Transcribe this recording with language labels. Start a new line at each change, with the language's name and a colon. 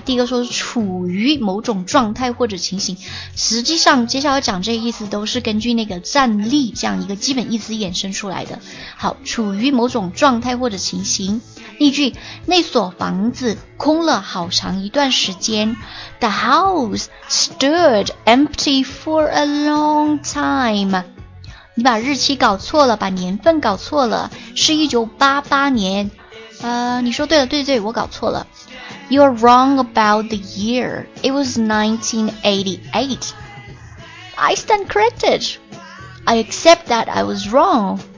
Chinese: 第一个说是处于某种状态或者情形，实际上接下来讲这些意思都是根据那个站立这样一个基本意思衍生出来的。好，处于某种状态或者情形。例句，那所房子空了好长一段时间。
English: The house stood empty for a long time.
Chinese: 你把日期搞错了，把年份搞错了，是1988年。你说对了，对对，我搞错了。
English: You're wrong about the year. It was 1988. I stand corrected. I accept that I was wrong.